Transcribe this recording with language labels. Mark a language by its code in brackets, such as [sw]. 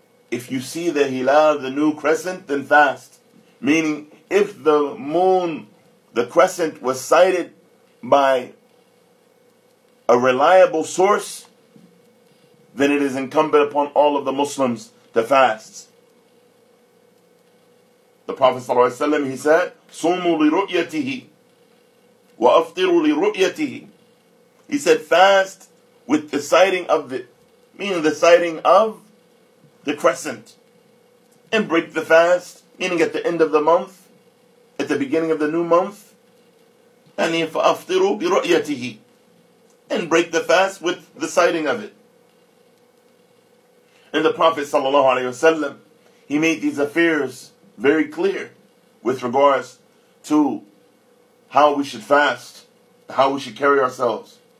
[en] If you see the hilal, the new crescent, then fast. Meaning, if the moon, the crescent, was sighted by a reliable source, then it is incumbent upon all of the Muslims to fast. The Prophet ﷺ, he said, [ar] صُومُوا لِرُؤْيَتِهِ وَأَفْطِرُوا لِرُؤْيَتِهِ. [en] He said, fast with the sighting of the, meaning the sighting of the crescent. And break the fast, meaning at the end of the month, at the beginning of the new month. [ar] And فَأَفْطِرُوا بِرُؤْيَتِهِ. [en] And break the fast with the sighting of it. And the Prophet ﷺ, he made these affairs very clear with regards to how we should fast, how we should carry ourselves.